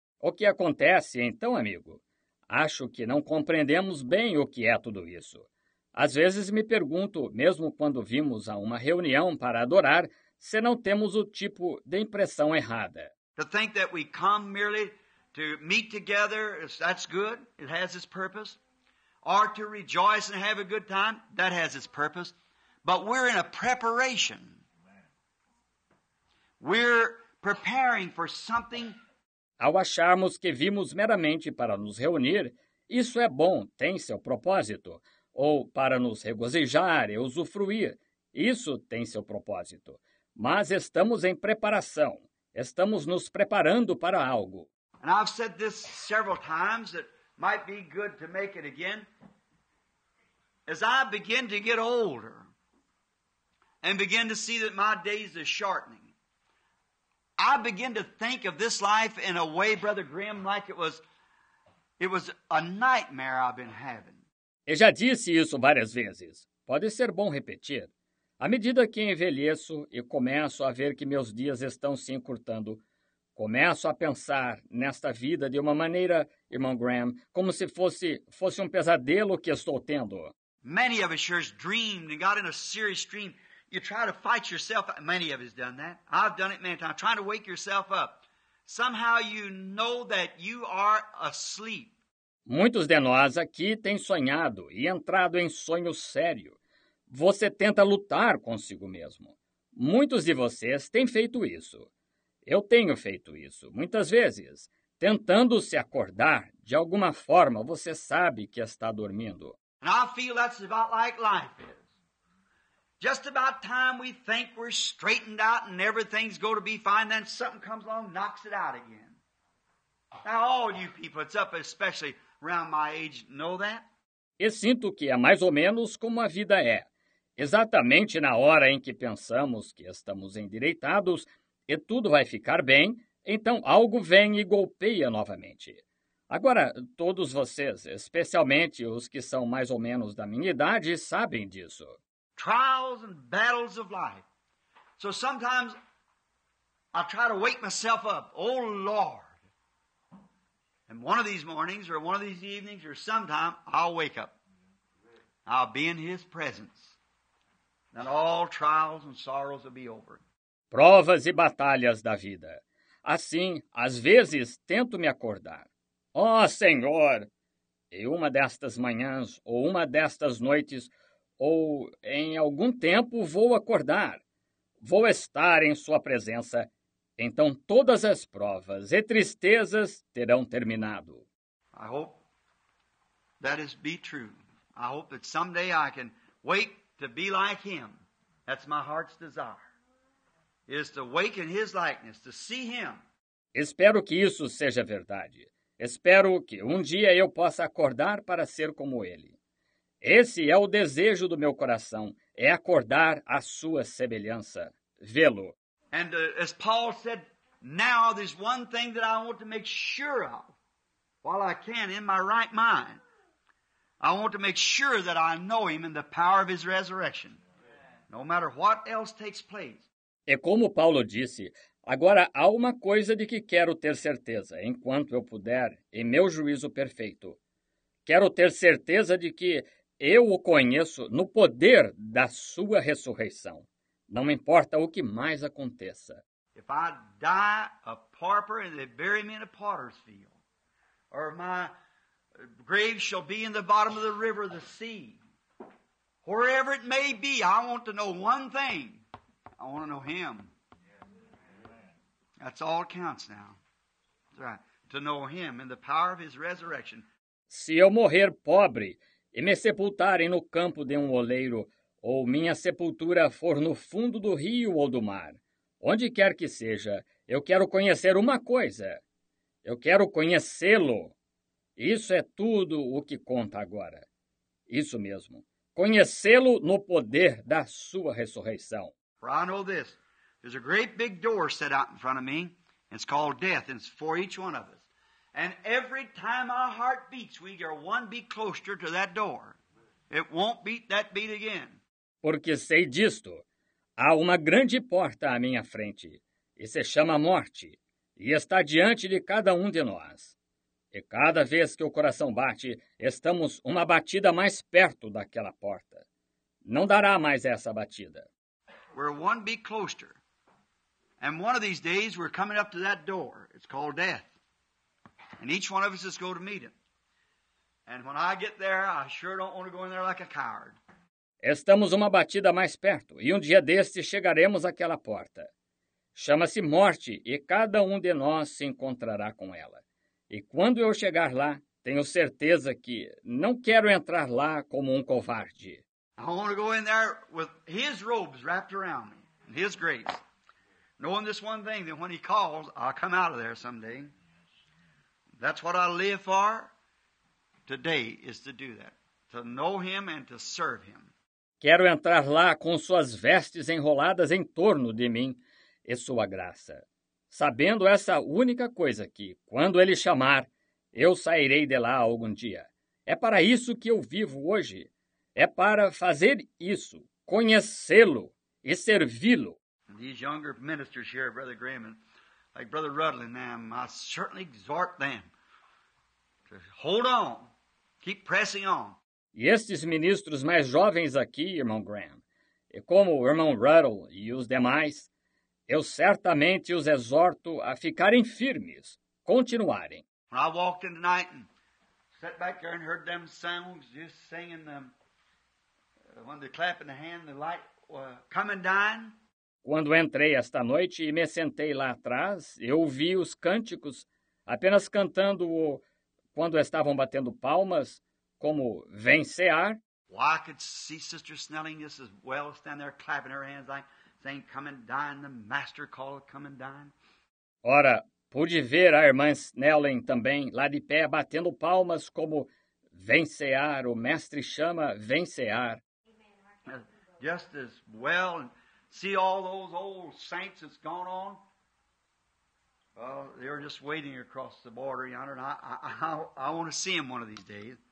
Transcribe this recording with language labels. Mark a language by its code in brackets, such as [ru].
[pt] O que acontece então, amigo? Acho que não compreendemos bem o que é tudo isso. Às vezes me pergunto, mesmo quando vimos a uma reunião para adorar, se não temos o tipo de impressão errada. [en] To think that we come merely to meet together, that's good, it has its purpose. Or to rejoice and have a good time, that has its purpose. But we're in a preparation. We're preparing for something. [pt] Ao acharmos que vimos meramente para nos reunir, isso é bom, tem seu propósito. Ou para nos regozijar e usufruir, isso tem seu propósito. Mas estamos em preparação, estamos nos preparando para algo. [en] And I've said this several times, it might be good to make it again. As I begin to get older and begin to see that my days are shortening, I begin to think of this life in a way, Brother Graham, like it was a nightmare I've been having. [pt] Eu já disse isso várias vezes. Pode ser bom repetir. À medida que envelheço e começo a ver que meus dias estão se encurtando, começo a pensar nesta vida de uma maneira, irmão Graham, como se fosse um pesadelo que estou tendo. [en] Many of us have dreamed and got in a serious dream. You try to fight yourself. Many of us done that. I've done it many times. Trying to wake yourself up. Somehow you know that you are asleep. [pt] Muitos de nós aqui têm sonhado e entrado em sonho sério. Você tenta lutar consigo mesmo. Muitos de vocês têm feito isso. Eu tenho feito isso, muitas vezes. Tentando se acordar, de alguma forma, você sabe que está dormindo. [en] And I feel that's about like life is. Just about time we think we're straightened out and everything's going to be fine, then something comes along and knocks it out again. Now, all you people, it's up especially around my age, know that? [pt] E sinto que é mais ou menos como a vida é. Exatamente na hora em que pensamos que estamos endireitados e tudo vai ficar bem, então algo vem e golpeia novamente. Agora, todos vocês, especialmente os que são mais ou menos da minha idade, sabem disso. [en] Trials and battles of life. So sometimes I try to wake myself up. Oh, Lord. And one of these mornings, or one of these evenings, or sometime, I'll wake up. I'll be in His presence. And all trials and sorrows will be over. [pt] Provas e batalhas da vida. Assim, às vezes, tento me acordar. Oh, Senhor! E uma destas manhãs, ou uma destas noites, ou em algum tempo, vou acordar. Vou estar em Sua presença. Então todas as provas e tristezas terão terminado. [en] I hope that is be true. I hope that someday I can wake to be like Him. That's my heart's desire. Is to wake in His likeness, to see Him. [pt] Espero que isso seja verdade. Espero que um dia eu possa acordar para ser como Ele. Esse é o desejo do meu coração, é acordar à Sua semelhança, vê-Lo. [en] And as Paul said, now there's one thing that I want to make sure of, while I can, in my right mind. I want to make sure that I know Him in the power of His resurrection, no matter what else takes place. [pt] E como Paulo disse, agora há uma coisa de que quero ter certeza, enquanto eu puder, em meu juízo perfeito. Quero ter certeza de que eu o conheço no poder da Sua ressurreição. Não importa o que mais aconteça. [en] If I die a pauper and they bury me in a potter's field, or my grave shall be in the bottom of the river, the sea, wherever it may be, I want to know one thing. I want to know Him. That's all that counts now. That's right. To know Him in the power of His resurrection. [pt] Se eu morrer pobre e me sepultarem no campo de oleiro, ou minha sepultura for no fundo do rio ou do mar, onde quer que seja, eu quero conhecer uma coisa. Eu quero conhecê-Lo. Isso é tudo o que conta agora. Isso mesmo. Conhecê-Lo no poder da Sua ressurreição. [en] For I know this. There's a great big door set out in front of me. It's called death, and it's for each one of us. And every time our heart beats, we are one beat closer to that door. It won't beat that beat again. [pt] Porque sei disto. Há uma grande porta à minha frente, e se chama morte, e está diante de cada um de nós. E cada vez que o coração bate, estamos uma batida mais perto daquela porta. Não dará mais essa batida. [en] We're one beat closer. And one of these days we're coming up to that door. It's called death. And each one of us is going to meet it. And when I get there, I sure don't want to go in there like a coward. [pt] Estamos uma batida mais perto, e um dia destes chegaremos àquela porta. Chama-se morte, e cada um de nós se encontrará com ela. E quando eu chegar lá, tenho certeza que não quero entrar lá como um covarde. [en] I want to go in there with His robes wrapped around me, and His grace. Knowing this one thing, that when He calls, I'll come out of there someday. That's what I live for. Today is to do that, to know Him and to serve Him. [pt] Quero entrar lá com Suas vestes enroladas em torno de mim e Sua graça. sabendo essa única coisa que, quando ele chamar, eu sairei de lá algum dia. É para isso que eu vivo hoje. É para fazer isso, conhecê-lo e servi-lo. [en] These younger ministers here, Brother Graham, and like Brother Rudlin, them, I certainly exhort them to hold on, keep pressing on. [pt] E estes ministros mais jovens aqui, irmão Graham, e como o irmão Ruddle e os demais, eu certamente os exorto a ficarem firmes, continuarem. [en] When I walked in tonight and sat back there and heard them songs, just singing them, when they clap in the hand, the light coming down. [pt] Quando entrei esta noite e me sentei lá atrás, eu ouvi os cânticos apenas cantando quando estavam batendo palmas, como vencear. [en] Well, I could see Sister Snelling just as well stand there clapping her hands like saying, come and dine, the master call, come and dine. [pt] Ora, pude ver a irmã Snelling também lá de pé batendo palmas como vencear, o mestre chama vencear. [en] Just as well and see all those old saints that's gone on. Well, they're just waiting across the border yonder, and I want to see them one of these days.